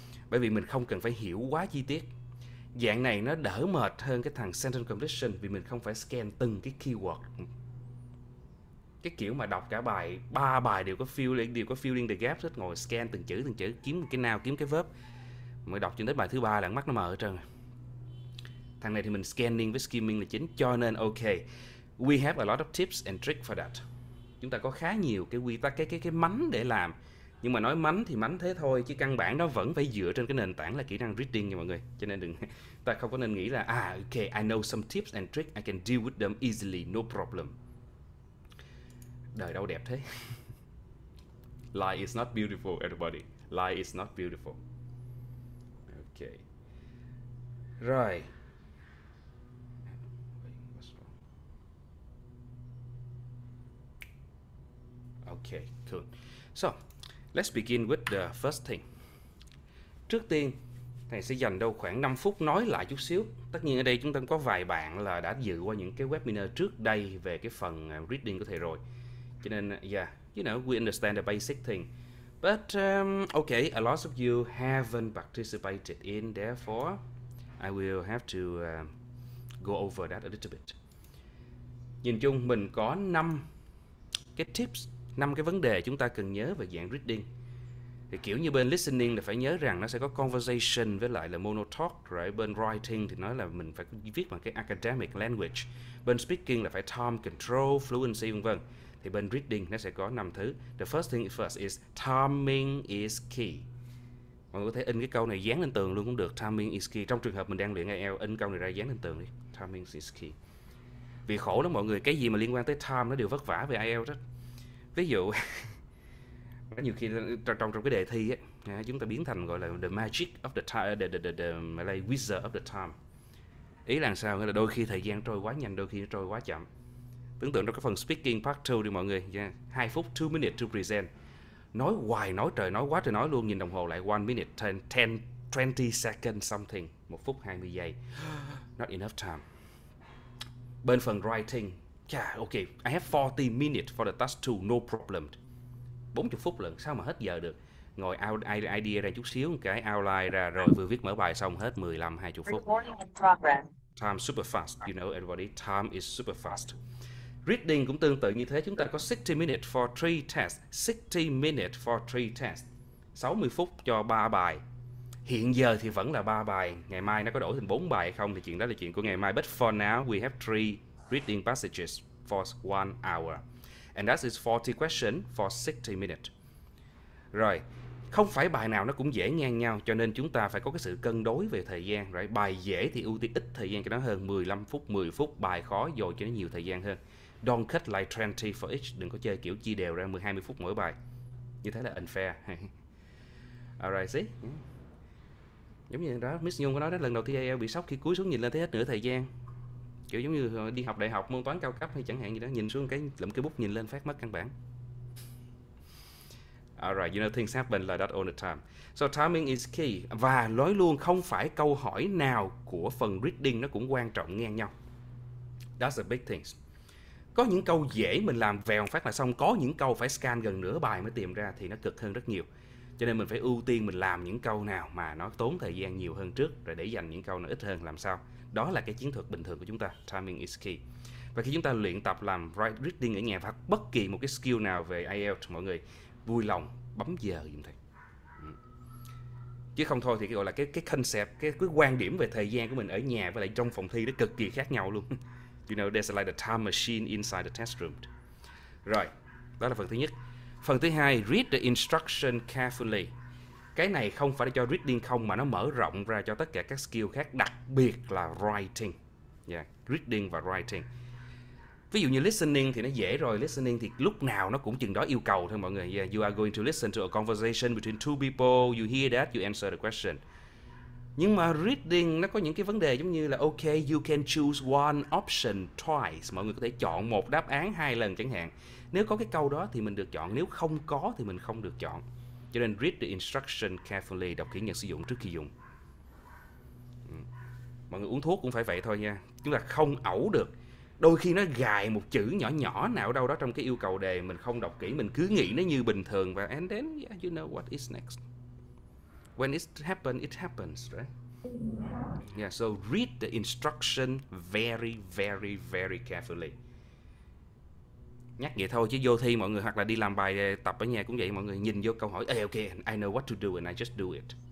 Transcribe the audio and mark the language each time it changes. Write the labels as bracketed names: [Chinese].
[Vietnamese] Bởi vì mình không cần phải hiểu quá chi tiết. Dạng này nó đỡ mệt hơn cái thằng sentence completion vì mình không phải scan từng cái keyword. Cái kiểu mà đọc cả bài, ba bài đều có fill in the gap hết, ngồi scan từng chữ kiếm cái nào, kiếm cái verb. Mới đọc cho đến bài thứ ba là mắt nó mờ hết trơn. Thằng này thì mình scanning với skimming là chính, cho nên ok. [English] We have a lot of tips and tricks for that. [Vietnamese] Chúng ta có khá nhiều cái quy tắc, cái mánh để làm. Nhưng mà nói mánh thì mánh thế thôi, chứ căn bản nó vẫn phải dựa trên cái nền tảng là kỹ năng reading nha mọi người. Cho nên đừng, ta không có nên nghĩ là ok, [English] I know some tips and tricks, I can deal with them easily, no problem. [Vietnamese] Đời đâu đẹp thế. [English] Life is not beautiful, everybody. Life is not beautiful. Ok. Rồi. Ok, cool. So, let's begin with the first thing. [Vietnamese] Trước tiên, thầy sẽ dành đâu khoảng 5 phút nói lại chút xíu. Tất nhiên ở đây chúng ta có vài bạn là đã dự qua những cái webinar trước đây về cái phần reading của thầy rồi. Cho nên, [English] yeah, we understand the basic thing. But, okay, a lot of you haven't participated in, therefore, I will have to go over that a little bit. [Vietnamese] Nhìn chung, mình có 5 cái tips, 5 cái vấn đề chúng ta cần nhớ về dạng reading. Thì kiểu như bên listening là phải nhớ rằng nó sẽ có conversation với lại là monotalk, right? Bên writing thì nói là mình phải viết bằng cái academic language. Bên speaking là phải time control, fluency, vân vân. Thì bên reading nó sẽ có 5 thứ. [English] The first thing first is timing is key. [Vietnamese] Mọi người có thể in cái câu này dán lên tường luôn cũng được. [English] Timing is key. [Vietnamese] Trong trường hợp mình đang luyện IELTS, in câu này ra dán lên tường đi. Timing is key. Vì khổ lắm mọi người, cái gì mà liên quan tới time nó đều vất vả về IELTS hết. Ví dụ nhiều khi trong trong cái đề thi ấy, Yeah, chúng ta biến thành gọi là [English] the magic of the time, [Vietnamese] the wizard of the time. Ý là sao? Nghĩa là đôi khi thời gian trôi quá nhanh, đôi khi nó trôi quá chậm. Tưởng tượng trong cái phần speaking part 2 đi mọi người nha. Yeah. 2 phút [English] 2 minute to present. [Vietnamese] Nói hoài nói trời nói quá trời nói luôn, nhìn đồng hồ lại 1 minute 10 10 20 second something, 1 phút 20 giây. [English] Not enough time. [Vietnamese] Bên phần [English] writing, yeah, okay, I have 40 minutes for the task 2, no problem. [Vietnamese] 40 phút lận, sao mà hết giờ được. Ngồi idea ra chút xíu, cái outline ra rồi vừa viết mở bài xong hết 15 20 phút. [English] Time super fast, you know everybody, time is super fast. [Vietnamese] Reading cũng tương tự như thế, chúng ta có [English] 60 minutes for 3 tests, [Vietnamese] 60 minutes for 3 tests. 60 phút cho 3 bài. Hiện giờ thì vẫn là 3 bài, ngày mai nó có đổi thành 4 bài hay không thì chuyện đó là chuyện của ngày mai. [English] But for now, we have 3 reading passages for 1 hour. And that is 40 questions for 60 minutes. [Vietnamese] Rồi, không phải bài nào nó cũng dễ ngang nhau, cho nên chúng ta phải có cái sự cân đối về thời gian. Rồi, bài dễ thì ưu tiên ít thời gian cho nó hơn, 15 phút, 10 phút, bài khó dồn cho nó nhiều thời gian hơn. [English] Don't cut like 20 for each, [Vietnamese] đừng có chơi kiểu chia đều ra 10, 20 phút mỗi bài. Như thế là unfair. [English] Alright, see? [Vietnamese] Giống như đó, Miss Nhung có nói đó, lần đầu thi IELTS bị sốc khi cúi xuống nhìn lên thấy hết nửa thời gian. Kiểu giống như đi học đại học môn toán cao cấp hay chẳng hạn gì đó, nhìn xuống cái lụm cái bút nhìn lên phát mất căn bản. [English] Alright, you know things happen like that all the time. So timing is key. [Vietnamese] Và nói luôn, không phải câu hỏi nào của phần reading nó cũng quan trọng ngang nhau. [English] That's a big thing. [Vietnamese] Có những câu dễ mình làm vèo phát là xong, có những câu phải scan gần nửa bài mới tìm ra thì nó cực hơn rất nhiều. Cho nên mình phải ưu tiên mình làm những câu nào mà nó tốn thời gian nhiều hơn trước, rồi để dành những câu nó ít hơn làm sao. Đó là cái chiến thuật bình thường của chúng ta. [English] Timing is key. [Vietnamese] Và khi chúng ta luyện tập làm reading ở nhà hoặc bất kỳ một cái skill nào về IELTS, mọi người vui lòng bấm giờ giùm thầy. Chứ không thôi thì cái gọi là cái concept, cái quan điểm về thời gian của mình ở nhà với lại trong phòng thi nó cực kỳ khác nhau luôn. [English] You know, there's like a time machine inside the test room. [Vietnamese] Rồi, đó là phần thứ nhất. Phần thứ hai, [English] read the instruction carefully. [Vietnamese] Cái này không phải cho reading không, mà nó mở rộng ra cho tất cả các skill khác, đặc biệt là writing. Yeah, reading và writing. Ví dụ như listening thì nó dễ rồi. Listening thì lúc nào nó cũng chừng đó yêu cầu thôi mọi người. [English] Yeah, you are going to listen to a conversation between two people. You hear that, you answer the question. [Vietnamese] Nhưng mà reading nó có những cái vấn đề giống như là [English] ok, you can choose one option twice. [Vietnamese] Mọi người có thể chọn một đáp án hai lần chẳng hạn. Nếu có cái câu đó thì mình được chọn, nếu không có thì mình không được chọn. Cho nên [English] read the instruction carefully, [Vietnamese] đọc kỹ nhận sử dụng trước khi dùng. Mọi người uống thuốc cũng phải vậy thôi nha. Chúng ta không ẩu được. Đôi khi nó gài một chữ nhỏ nhỏ nào đâu đó trong cái yêu cầu đề, mình không đọc kỹ, mình cứ nghĩ nó như bình thường. [English] Và and then, yeah, you know what is next. When it happens, right? Yeah, so read the instruction very, very, very carefully. [Vietnamese] Nhắc vậy thôi chứ vô thi mọi người hoặc là đi làm bài tập ở nhà cũng vậy, mọi người nhìn vô câu hỏi, [English] ok, I know what to do and I just do it.